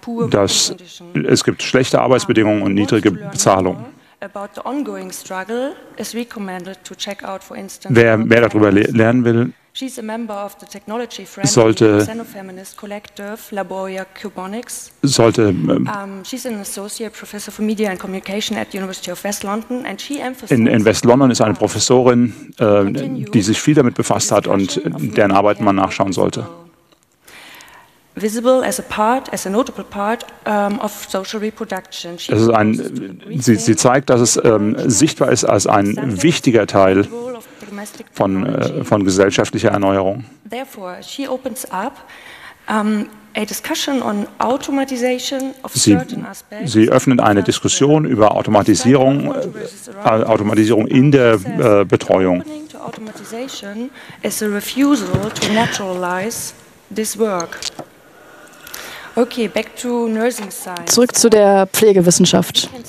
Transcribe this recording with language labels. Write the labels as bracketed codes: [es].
[de] Dass es gibt schlechte Arbeitsbedingungen und niedrige Bezahlungen. [en] About the ongoing struggle is recommended to check out, for instance, [de] wer mehr darüber lernen will, [en] she's a member of the technology [de] friendly sollte, [en] Xenofeminist collective Laboria Cubonics. [de] Sollte, [en] she's an associate professor for media and communication at the University of West London, and she emphasizes [de] in West London ist eine Professorin, die sich viel damit befasst hat und deren Arbeiten man nachschauen sollte. [en] Visible as a part, as a notable part of social reproduction. [de] Das ist ein, sie zeigt, dass es sichtbar ist als ein wichtiger Teil von gesellschaftlicher Erneuerung. [en] Therefore, she opens up a discussion on automatization of certain aspects. [de] Sie öffnet eine Diskussion über Automatisierung, Automatisierung in der Betreuung. [en] Automatization is a refusal to naturalize this work. Okay, back to nursing science. [de] Zurück zu der Pflegewissenschaft.